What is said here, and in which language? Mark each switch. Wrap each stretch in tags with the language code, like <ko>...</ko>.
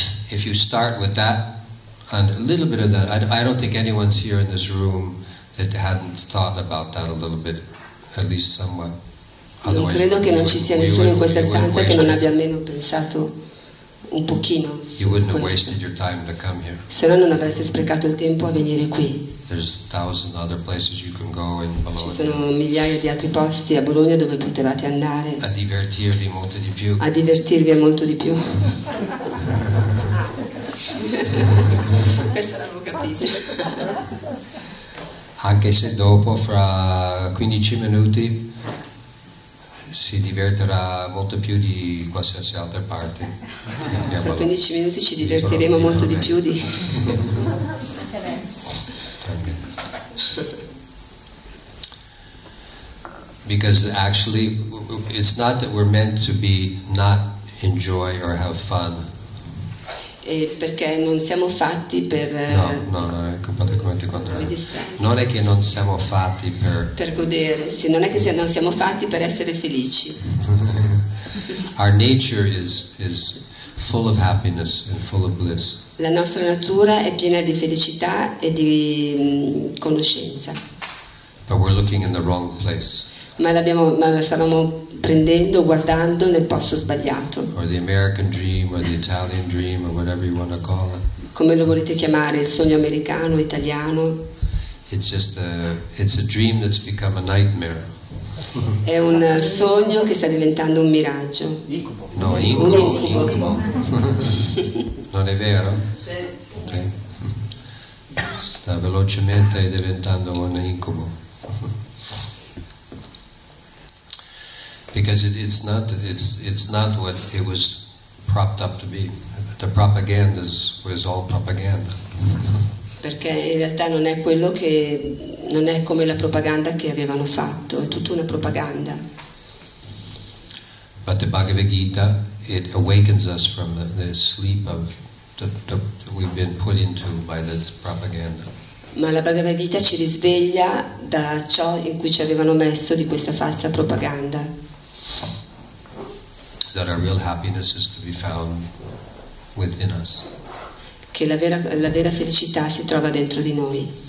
<en>If you start with that and a little bit of that, I don't think anyone's here in this room that hadn't thought about that a little bit, at least somewhat.</en> <it>Otherwise, non credo che non ci sia nessuno in questa stanza che non abbia almeno pensato un pochino.</it> <en>You wouldn't have wasted your time to come here.</en> <it>Se no non avreste sprecato il tempo a venire qui.</it> <en>There's a thousand other places you can go in Bologna.</en> <it>Ci sono migliaia di altri posti a Bologna dove potevate andare. A divertirvi molto di più. A divertirvi molto di più. Questa l'avevo capito. Anche se dopo, fra 15 minuti, si diverterà molto più di qualsiasi altra parte. Fra 15 minuti ci divertiremo molto di più di...</it> <en>Because actually, it's not that we're meant to be not enjoy or have fun.</en> <it>E perché non siamo fatti per... No, è completamente contrario. Non è che non siamo fatti per... Per godere, sì, non è che non siamo fatti per essere felici.</it> <en>Our nature is full of happiness and full of bliss.</en> <it>La nostra natura è piena di felicità e di conoscenza.</it> <en>But we're looking in the wrong place.</en> <it>Ma la stavamo prendendo, guardando nel posto sbagliato.</it> <en>Or the American dream, or the Italian dream, or whatever you want to call it.</en> <it>Come lo volete chiamare, il sogno americano, italiano?</it> <en>It's just it's a dream that's become a nightmare.</en> <it>È un sogno che sta diventando un miraggio. Incubo. No, incubo. Non è vero? Sì. Okay. Sta velocemente diventando un incubo.</it> <en>Because it's not what it was propped up to be. The propaganda was all propaganda.</en> <it>Perché in realtà non è quello che non è come la propaganda che avevano fatto. È tutta una propaganda.</it> <en>But the Bhagavad Gita, it awakens us from the sleep of that we've been put into by the propaganda.</en> <it>Ma la Bhagavad Gita ci risveglia da ciò in cui ci avevano messo di questa falsa propaganda. That our real happiness is to be found within us. Che la vera felicità si trova dentro di noi.</it>